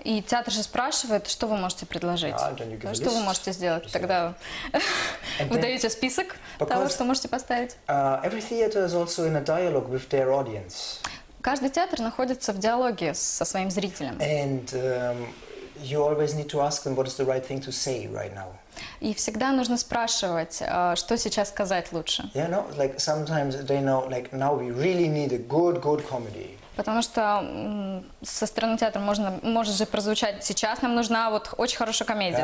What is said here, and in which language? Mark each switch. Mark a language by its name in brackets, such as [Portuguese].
[Russian] И театр же спрашивает, что вы можете предложить. [English] Yeah, and then you give a list. [Russian] Что вы можете сделать? Тогда вы даете список того, что можете поставить. [English] Every theater is also in a dialogue with their audience. [Russian] Каждый театр находится в диалоге со своим зрителем. [English] And you always need to ask them what is the right thing to say right now. [Russian] И всегда нужно спрашивать, что сейчас сказать лучше. [English] Yeah, no, like sometimes they know, like now we really need a good comedy. [Russian] Потому что со стороны театра может же прозвучать, сейчас нам нужна вот очень хорошая комедия,